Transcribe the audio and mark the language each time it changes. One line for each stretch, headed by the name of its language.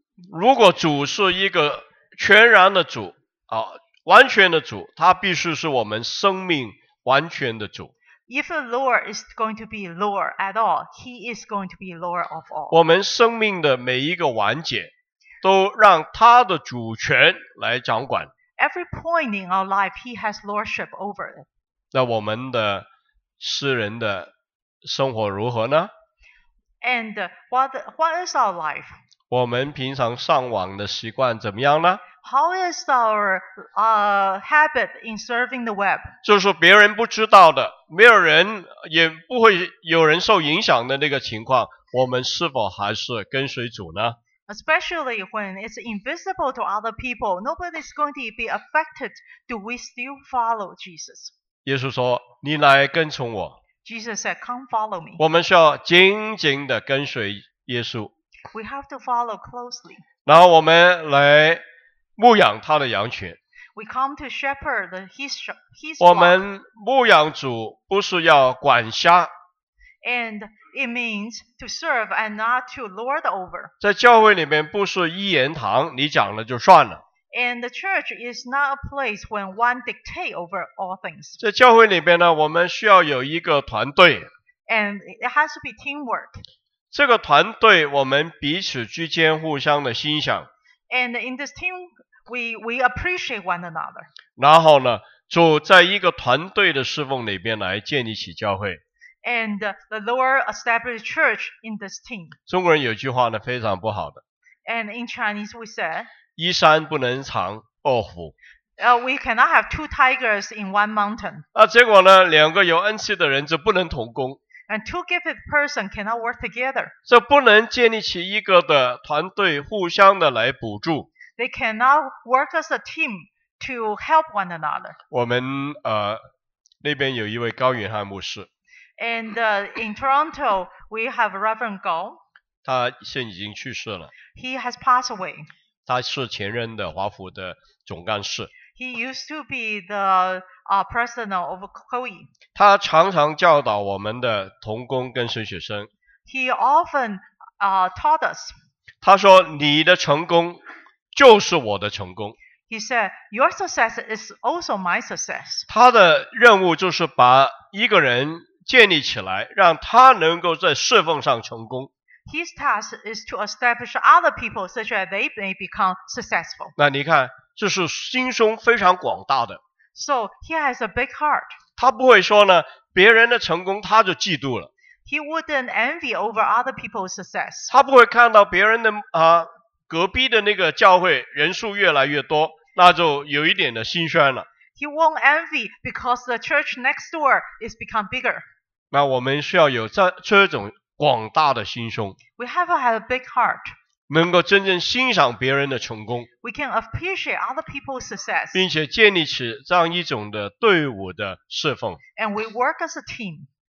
Chinese: 如果主是一个全然的主，啊，完全的主，他必须是我们生命完全的主。
English: If the Lord is going to be Lord at all, he is going to be Lord of all.
Chinese: 我们生命的每一个环节都让他的主权来掌管。
English: Every point in our life, he has lordship over it.
Chinese: 那我们的私人的生活如何呢？
English: And what is our life?
Chinese: 我们平常上网的习惯怎么样呢？
English: How is our habit in surfing the web?
Chinese: 就是别人不知道的，没有人也不会有人受影响的那个情况，我们是否还是跟随主呢？
English: Especially when it's invisible to other people, nobody's going to be affected. Do we still follow Jesus?
Chinese: 耶稣说，你来跟从我。
English: Jesus said, come follow me.
Chinese: 我们需要紧紧地跟随耶稣。
English: We have to follow closely.
Chinese: 然后我们来牧养他的羊群。
English: We come to shepherd his flock.
Chinese: 我们牧养主不是要管辖。
English: And it means to serve and not to lord over.
Chinese: 在教会里面不是一言堂，你讲了就算了。
English: And the church is not a place when one dictate over all things.
Chinese: 在教会里面呢，我们需要有一个团队。
English: And it has to be teamwork.
Chinese: 这个团队我们彼此之间互相的欣赏。
English: And in this team, we appreciate one another.
Chinese: 然后呢，就在一个团队的侍奉里面来建立起教会。
English: And the Lord established church in this team.
Chinese: 中国人有句话呢，非常不好的。
English: And in Chinese we said,
Chinese: 一山不能藏二虎。
English: We cannot have two tigers in one mountain.
Chinese: 啊，结果呢，两个有恩赐的人就不能同工。
English: And two gifted persons cannot work together.
Chinese: 这不能建立起一个的团队，互相的来补助。
English: They cannot work as a team to help one another.
Chinese: 我们那边有一位高远汉牧师。
English: And in Toronto, we have Reverend Gao.
Chinese: 他现在已经去世了。
English: He has passed away.
Chinese: 他是前任的华府的总干事。
English: He used to be the president of COE.
Chinese: 他常常教导我们的同工跟神学生。
English: He often taught us.
Chinese: 他说，你的成功就是我的成功。
English: He said, your success is also my success.
Chinese: 他的任务就是把一个人建立起来，让他能够在侍奉上成功。
English: His task is to establish other people such that they may become successful.
Chinese: 那你看，这是心胸非常广大的。
English: So he has a big heart.
Chinese: 他不会说呢，别人的成功他就嫉妒了。
English: He wouldn't envy over other people's success.
Chinese: 他不会看到别人的隔壁的那个教会人数越来越多，那就有一点的心酸了。
English: He won't envy because the church next door is become bigger.
Chinese: 那我们需要有这种广大的心胸。
English: We have to have a big heart.
Chinese: 能够真正欣赏别人的成功。
English: We can appreciate other people's success.
Chinese: 并且建立起这样一种的队伍的侍奉。
English: And we work as a team.